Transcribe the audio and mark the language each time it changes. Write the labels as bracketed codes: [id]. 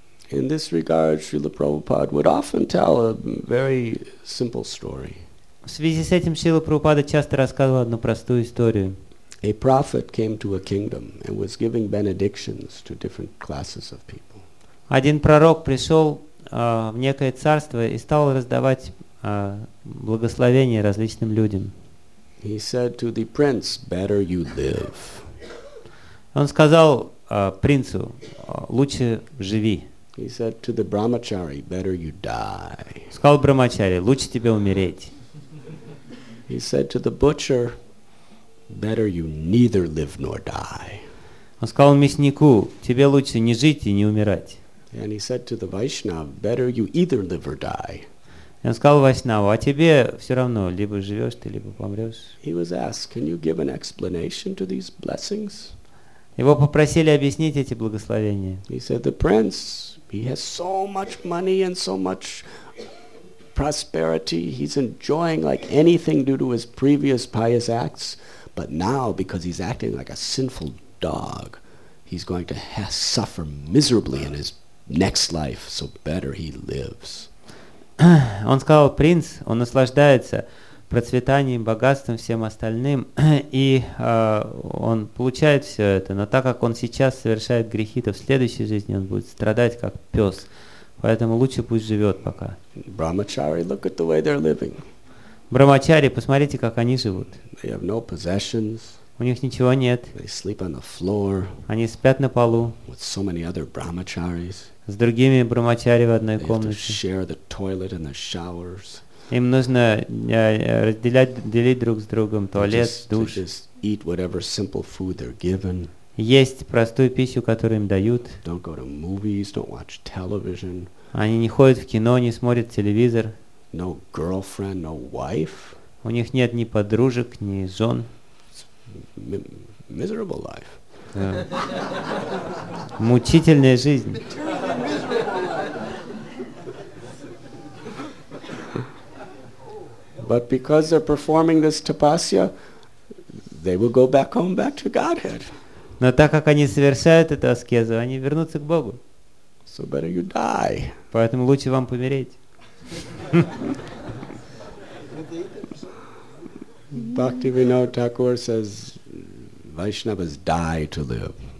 [en] In this regard, Srila Prabhupada would often tell a very simple story. [ru] В связи с этим Шрила Прабхупада часто рассказывал одну простую историю. [en] A prophet came to a kingdom and was giving benedictions to different classes of people. [ru] Один пророк пришел в некое царство и стал раздавать благословения различным людям. [en] He said to the prince, "Better you live." [ru] Он сказал принцу, лучше живи. [en] He said to the brahmachari, "Better you die." [ru] Сказал брахмачари, лучше тебе умереть. [en] He said to the butcher, "Better you neither live nor die." [ru] Он сказал мяснику, тебе лучше не жить и не умирать. [en] And he said to the vaishnav, "Better you either live or die." [ru] И он сказал вайшнаву, а тебе все равно, либо живешь ты, либо помрешь. [en] He was asked, "Can you give an explanation to these blessings?" [ru] Его попросили объяснить эти благословения. [en] He said, "The prince, he has so much money and so much prosperity. He's enjoying like anything due to his previous pious acts. But now, because he's acting like a sinful dog, he's going to suffer miserably in his next life. So better he lives." [ru] Он сказал, принц, он наслаждается процветанием, богатством, всем остальным, и он получает все это, но так как он сейчас совершает грехи, то в следующей жизни он будет страдать, как пес. Поэтому лучше пусть живет пока. [en] Brahmachari, look at the way they're living. [ru] Брахмачари, посмотрите, как они живут. [en] They have no possessions. [ru] У них ничего нет. [en] They sleep on the floor. [ru] Они спят на полу. [en] With so many other brahmacharis. [ru] С другими брахмачари в одной комнате. [en] They have to share the toilet and the showers. [ru] Им нужно делить друг с другом туалет, душ. [en] Just eat whatever simple food they're given. [ru] Есть простую пищу, которую им дают. [en] Don't go to movies, don't watch television. [ru] Они не ходят в кино, не смотрят телевизор. [en] No girlfriend, no wife. [ru] У них нет ни подружек, ни жен. [en] Miserable life. [ru] Мучительная жизнь. [en] But because they're performing this tapasya, they will go back home, back to Godhead. [ru] Но так как они совершают эту аскезу, они вернутся к Богу. [en] So better you die. [ru] Поэтому лучше вам помереть. [en] Bhaktivinoda Thakur says, "Vaishnavas die to live."